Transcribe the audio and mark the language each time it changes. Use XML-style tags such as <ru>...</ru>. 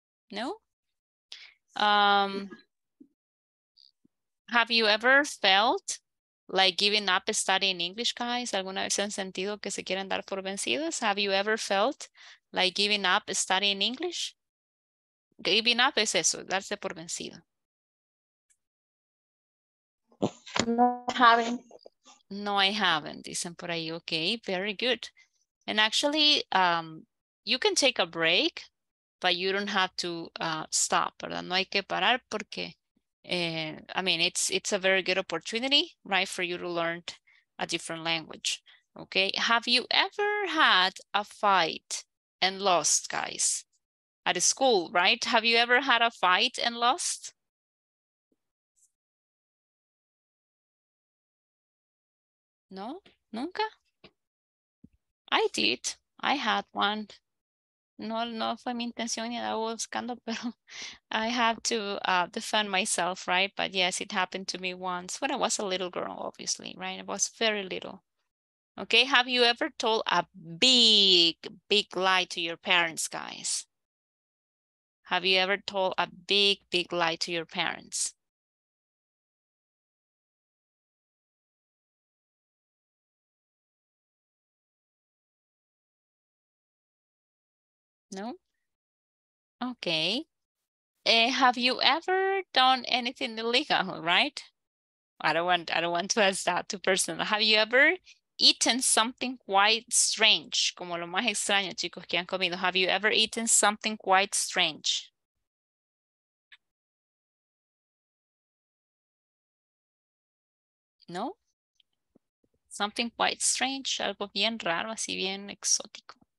<en>No? Have you ever felt like giving up studying English, guys?</en> <es>¿Alguna vez han sentido que se quieren dar por vencidos?</es> <en>Have you ever felt like giving up studying English? Giving up</en> <es>es eso, darse por vencido.</es> <en>No, I haven't. No, I haven't,</en> <es>dicen por ahí.</es> <en>Okay, very good. And actually, you can take a break, but you don't have to stop, ¿verdad?</en> <es>No hay que parar porque...</es> <en>I mean, it's a very good opportunity, right, for you to learn a different language, okay? Have you ever had a fight and lost, guys, at a school, right? Have you ever had a fight and lost? No?</en> <es>Nunca?</es> <en>I did. I had one.</en> <es>No fue mi intención ni estaba buscando, pero</es> <en>I have to defend myself, right? But yes, it happened to me once when I was a little girl, obviously, right? I was very little. Okay, have you ever told a big, big lie to your parents, guys? Have you ever told a big, big lie to your parents? No? Okay. Have you ever done anything illegal, right? I don't want to ask that too personal. Have you ever eaten something quite strange?</en> <es>Como lo más extraño, chicos, que han comido.</es> <en>Have you ever eaten something quite strange?</en> <es>No?</es> <en>Something quite strange,</en> <es>algo bien raro, así bien exótico.</es>